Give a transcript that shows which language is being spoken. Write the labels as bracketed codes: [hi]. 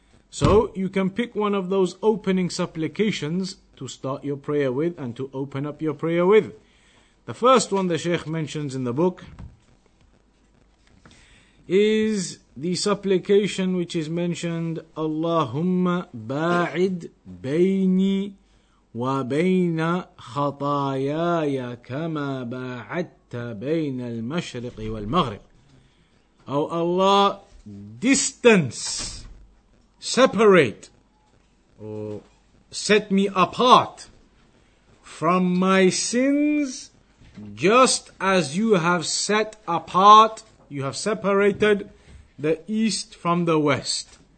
[en] So you can pick one of those opening supplications to start your prayer with and to open up your prayer with. The first one the Shaykh mentions in the book is the supplication which is mentioned, [ar] Allahumma ba'id bayni وبين خطاياي كما باعدت بين المشرق والمغرب. [en] Oh Allah, distance, separate, or set me apart from my sins, just as you have set apart, you have separated the east from the west.